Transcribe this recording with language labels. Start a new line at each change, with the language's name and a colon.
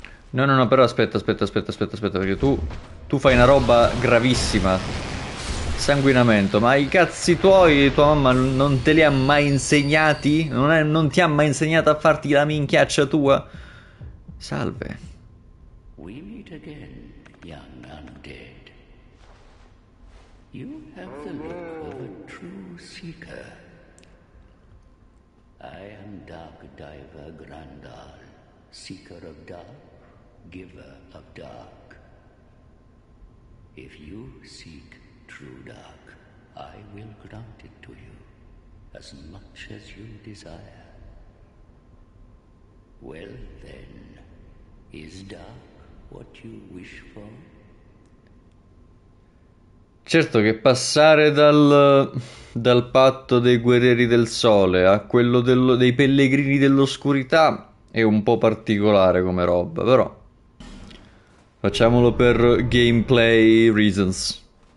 Italian: No, no, no, però aspetta, aspetta, aspetta, aspetta, aspetta, perché tu fai una roba gravissima. Sanguinamento. Ma i cazzi tuoi, tua mamma non te li ha mai insegnati? Non ti ha mai insegnato a farti la minchiaccia tua? Salve.
English: We meet again, young undead. You have the look of a true seeker. I am Dark Diver Grandal, seeker of dark, giver of dark. If you seek true dark, I will grant it to you, as much as you desire. Well then, is dark what you wish for?
Italian: Certo che passare dal patto dei guerrieri del sole a quello dei pellegrini dell'oscurità è un po' particolare come roba, però facciamolo per
English: gameplay reasons.